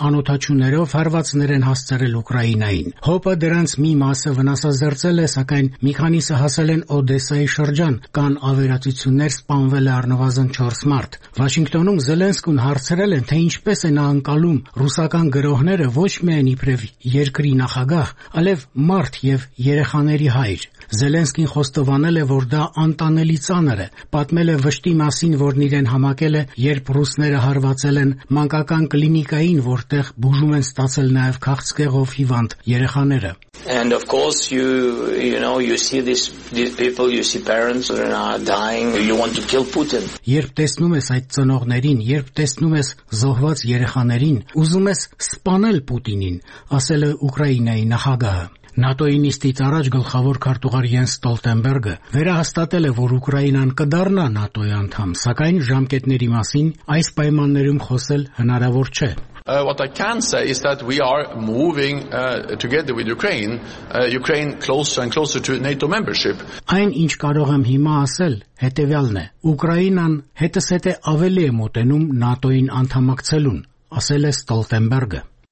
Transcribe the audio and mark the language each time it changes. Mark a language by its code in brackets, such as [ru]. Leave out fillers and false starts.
[hy] անոթաչուներով հարվածներ են հասցրել Ուկրաինային։ Հոպը դրանց մի մասը վնասազերծել է, սակայն մի քանիսը հասել են Օդեսայի շրջան, կան ավերածություններ, սպանվել է առնվազն 4 մարդ։ Վաշինգտոնում Զելենսկուն հարցրել են, թե ինչպես է նա անցնում ռուսական Ողները ոչ միայն իբրև երկրի նախագահ, այլև մարդ եւ երեխաների հայր։ Զելենսկին խոստովանել է, որ դա անտանելի ցաներ է, պատմել է վշտի մասին, որն իրեն համակել է, երբ ռուսները հարվածել են մանկական կլինիկային, որտեղ բուժում են ստացել նաեւ քաղցկեղով հիվանդ երեխաները։ [en] And of course you know you see these people, you see parents that are dying, you want to kill Putin. [hy] Երբ տեսնում ես այդ ծնողներին, երբ տեսնում ես զոհված երեխաներին, ուզում ես սպանել Պուտինին, ասել է Ուկրաինայի նախագահը։ ՆԱՏՕ-ի նիստից առաջ գլխավոր քարտուղար Յենս Ստոլտենբերգը վերահաստատել է, որ Ուկրաինան կդառնա ՆԱՏՕ-ի անդամ, սակայն ժամկետների մասին այս պայմաններում խոսել հնարավոր չէ։ [en] What I can say is that we are moving together with Ukraine, Ukraine closer and closer to NATO membership. [hy] Այն ինչ կարող եմ հիմա ասել, հետևյալն է. Ուկրաինան հետս հետե ավելի է մոտենում ՆԱՏՕ-ին անդամակցելուն, ասել է Ստոլտենբերգը։